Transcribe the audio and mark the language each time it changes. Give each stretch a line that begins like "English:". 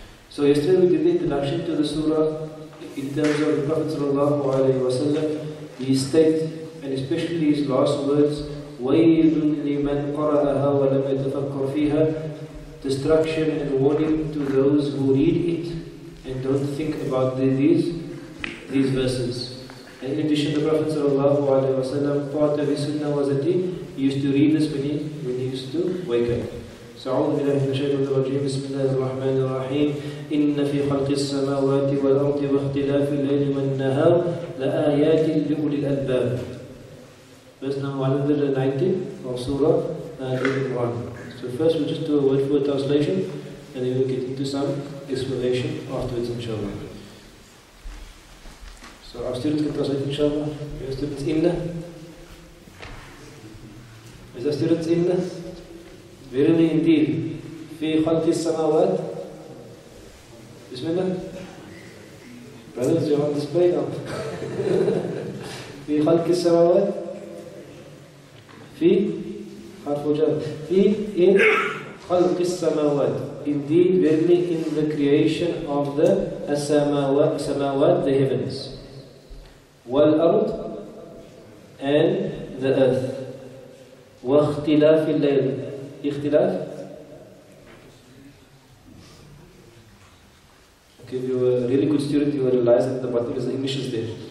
English: So yesterday we did the introduction to the surah in terms of the Prophet sallallahu alayhi wa sallam, his state and especially his last words,
Arabic: وَيْلٌ لِمَنْ قَرَأَهَا وَلَمْ يَتَفَكَّرْ فِيهَا,
English: destruction and warning to those who read it and don't think about these verses. And in addition, the Prophet sallallahu alayhi wa sallam, part of his sunnah was that he used to read this when he used to wake up.
Arabic: أعوذ بالله من الشيطان الرجيم بسم الله الرحمن الرحيم إن في خلق السماوات والأرض واختلاف الليل والنهار لآيات لأولي الألباب.
English: Verse number 119 of Surah Al-Imran. So first we'll just do a word for translation and then we'll get into some explanation afterwards inshallah. So our students can translate inshallah. Your students in there? Is our students in there? Verily indeed,
Arabic: في خلق السماوات. بسم الله.
English: Brothers, you're on display now.
Arabic: في خلق السماوات. في حرف جر. في
English: in
Arabic: خلق السماوات.
English: Indeed, verily in the creation of the السماوات, the heavens.
Arabic: والأرض
English: and the earth.
Arabic: واختلاف الليل.
English: اختلاف؟ Okay, if you were a really good student, you would realize that the bottom is the English is there.